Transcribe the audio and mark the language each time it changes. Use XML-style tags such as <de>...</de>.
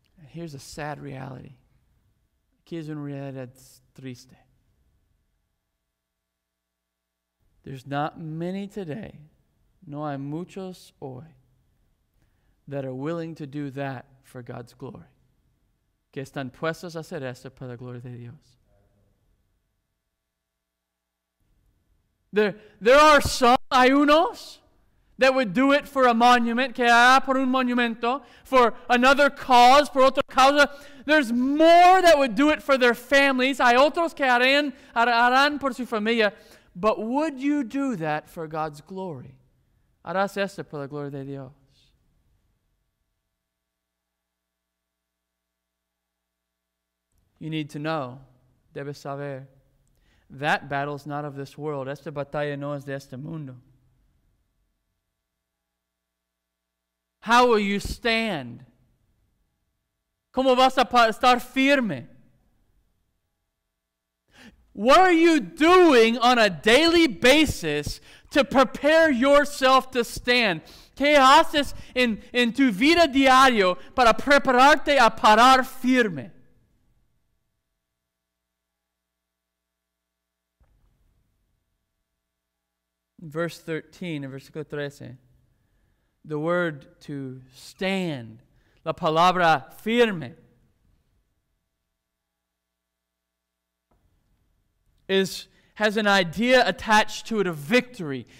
<en>Here's a sad reality.</en> <es>Aquí es una realidad triste.</es> <en>There's not many today,</en> <es>no hay muchos hoy,</es> <en>that are willing to do that for God's glory.</en> <es>Que están puestos a hacer esto para la gloria de Dios.</es> <en>There are some,</en> <es>hay unos,</es> <en>that would do it for a monument,</en> <es>que hará por un monumento,</es> <en>for another cause,</en> <es>por otra causa.</es> <en>There's more that would do it for their families.</en> <es>Hay otros que harán por su familia.</es> <en>But would you do that for God's glory?</en> <es>Harás esto por la gloria de Dios.</es> <en>You need to know,</en> <es>debes saber,</es> <en>that battle is not of this world.</en> <es>Esta batalla no es de este mundo.</es> <en>How will you stand?</en> <es>¿Cómo vas a estar firme?</es> <en>What are you doing on a daily basis to prepare yourself to stand?</en> <es>¿Qué haces en tu vida diario para prepararte a parar firme?</es> <en>Verse 13, the word to stand,</en> <es>la palabra firme,</es> <en>has an idea attached to it of victory.</en>